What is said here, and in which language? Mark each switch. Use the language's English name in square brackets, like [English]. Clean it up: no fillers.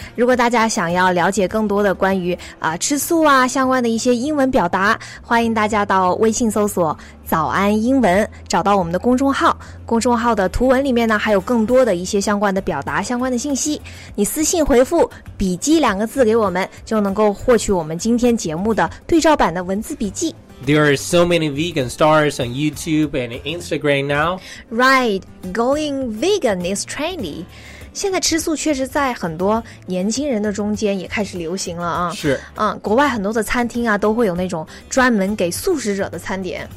[Chinese] 如果大家想要了解更多的关于吃素啊相关的一些英文表达，欢迎大家到微信搜索早安英文，找到我们的公众号，公众号的图文里面呢还有更多的一些相关的表达相关的信息，你私信回复笔记两个字给我们，就能够获取我们今天节目的对照版的文字笔记。 [English] There are so many vegan stars on YouTube and Instagram now. Right, going vegan is trendy. [Chinese] 现在吃素确实在很多年轻人的中间也开始流行了啊。是。国外很多的餐厅啊都会有那种专门给素食者的餐点。